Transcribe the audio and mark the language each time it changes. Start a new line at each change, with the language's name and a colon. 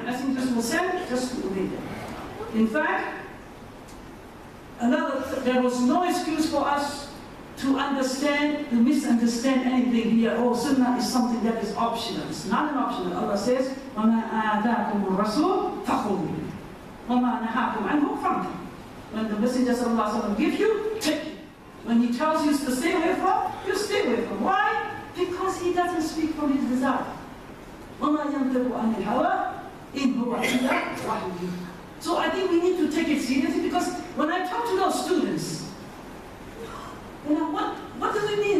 English: Nothing just was said, just to obey them. In fact, there was no excuse for us to understand, to misunderstand anything here. Oh, sunnah is something that is optional. It's not an optional. Allah says,
Arabic: وَمَا آتَاكُمُ الرَّسُولُ فَخُذُوهُ وَمَا نَهَاكُمْ عَنْهُ فَانْتَهُوا.
English: When the Messenger sallallahu alayhi wa sallam gives you, take it. When he tells you to stay away from, you stay away from. Why? Because he doesn't speak from his desire.
Arabic: وَمَا يَنْتَقُ عَنِ الْهَوَىٰ إِنْ هُوَ إِلَّا وَحْيُّهُ.
English: So I think we need to take it seriously, because when I talk to those students, you know, what do we mean?